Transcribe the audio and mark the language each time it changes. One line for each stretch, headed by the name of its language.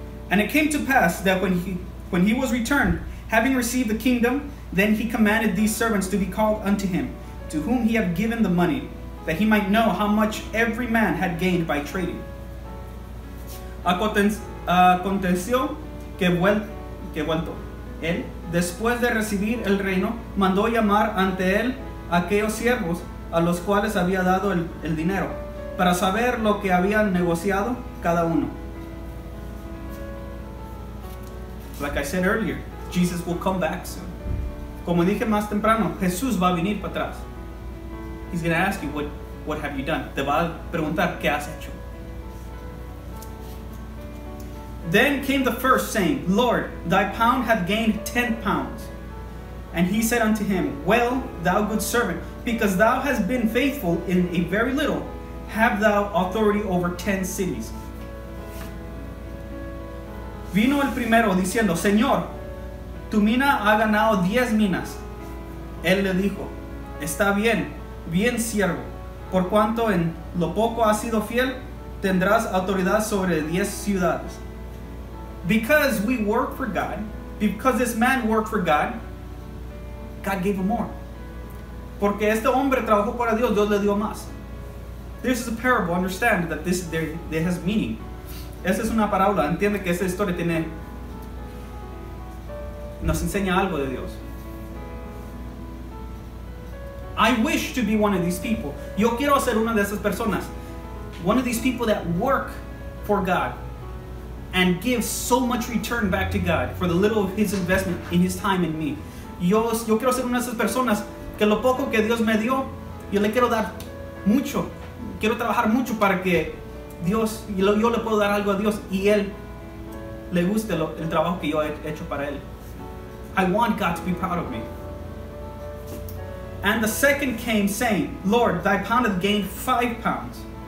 English: And it came to pass that when he was returned, having received the kingdom, then he commanded these servants to be called unto him, to whom he had given the money, that he might know how much every man had gained by trading.
Spanish: Aconteció que vuelto él, después de recibir el reino, mandó llamar ante él aquellos siervos a los cuales había dado el dinero, para saber lo que habían negociado cada uno.
English: Like I said earlier, Jesus will come back soon.
Spanish: Como dije más temprano, Jesús va a venir para atrás.
English: He's going to ask you, what have you done?
Spanish: Te va a preguntar, ¿qué has hecho?
English: Then came the first, saying, Lord, thy pound hath gained 10 pounds. And he said unto him, well, thou good servant, because thou hast been faithful in a very little, have thou authority over 10 cities.
Spanish: Vino el primero diciendo, Señor, tu mina ha ganado 10 minas. Él le dijo, está bien, bien siervo. Por cuanto en lo poco has sido fiel, tendrás autoridad sobre 10 ciudades.
English: Because we work for God, because this man worked for God, God gave him more.
Spanish: Porque este hombre trabajó para Dios, Dios le dio más.
English: This is a parable. Understand that this there has meaning.
Spanish: Esa es una parábola. Entiende que esta historia tiene, nos enseña algo de Dios.
English: I wish to be one of these people.
Spanish: Yo quiero ser una de esas personas.
English: One of these people that work for God and give so much return back to God for the little of his investment in his time in me.
Spanish: Yo quiero ser una de esas personas que lo poco que Dios me dio, yo le quiero dar mucho. Quiero trabajar mucho para que Dios, yo le puedo dar algo a Dios y Él le guste el trabajo que yo he hecho para Él.
English: I want God to be proud of me. And the second came saying, Lord, thy pound hath gained 5 pounds.